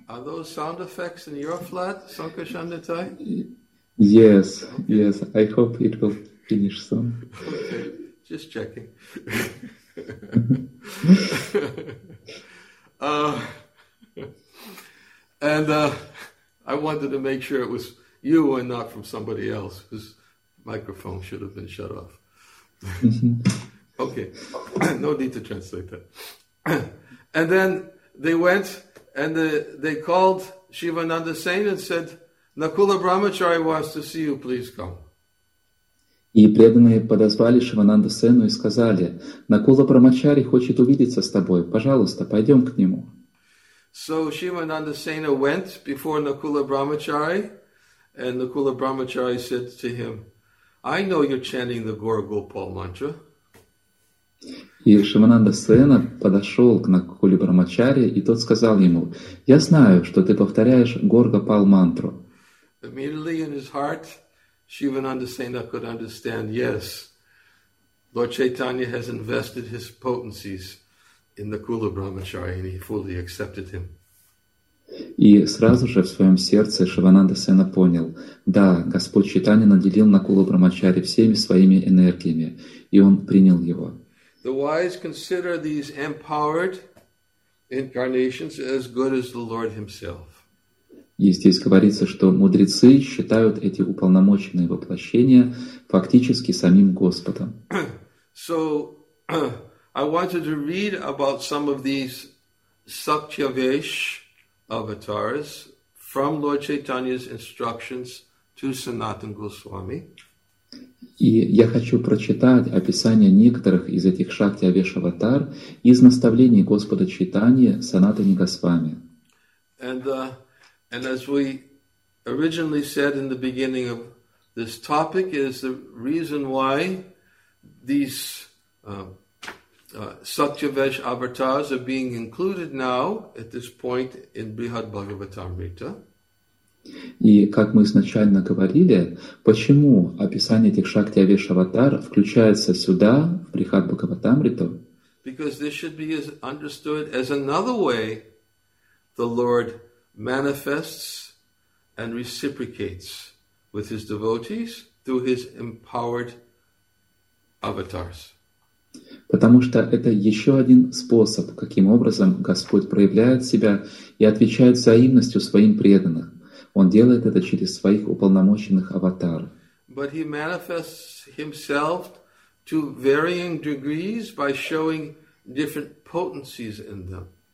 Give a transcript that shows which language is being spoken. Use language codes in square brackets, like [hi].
[en] Are those sound effects in your flat, Sankarshan Natai? Yes, okay. Yes. I hope it will finish soon. Okay. Just checking. I wanted to make sure it was you and not from somebody else whose microphone should have been shut off. Okay, no need to translate that. And then they went and they called Shivananda Sen and said, Nakula Brahmachari wants to see you, please come. [ru] И преданные подозвали Шивананду Сену и сказали: Накула Брамачари хочет увидеться с тобой. Пожалуйста, пойдем к нему. [en] So Shivananda Sena went before Nakula Brahmachari, and Nakula Brahmachari said to him, I know you're chanting the Gaura Gopal mantra. [ru] И Шивананда Сена подошел к Накуле Брамачари, и тот сказал ему: Я знаю, что ты повторяешь Гаура Гопал мантру. [en] Immediately in his heart, Shivananda Sena could understand, yes, Lord Chaitanya has invested his potencies in Nakula Brahmachari, and he fully accepted him. [ru] И сразу же в своем сердце Шивананда Сена понял, да, Господь Чайтанья наделил Накулу Брамачари всеми своими энергиями, и он принял его. [en] The wise consider these empowered incarnations as good as the Lord himself. [ru] И здесь говорится, что мудрецы считают эти уполномоченные воплощения фактически самим Господом. [en] So, I wanted to read about some of these Satyavesh avatars from Lord Chaitanya's instructions to Sanatana Goswami. [ru] И я хочу прочитать описание некоторых из этих Шактиавеш аватар из наставлений Господа Чайтаньи Санатани Госвами. [en] And as we originally said in the beginning of this topic, is the reason why these Satyavesh avatars are being included now at this point in Brihad Bhagavatamrita. [ru] И как мы изначально говорили, почему описание этих Шактиавеш аватар включается сюда в Брихад Бхагаватамриту? [en] Because this should be understood as another way the Lord manifests and reciprocates with his devotees through his empowered avatars. [ru] Потому что это еще один способ, каким образом Господь проявляет себя и отвечает взаимностью своим преданным. Он делает это через своих уполномоченных аватар. [en] But he manifests himself to varying degrees by showing different potencies in them.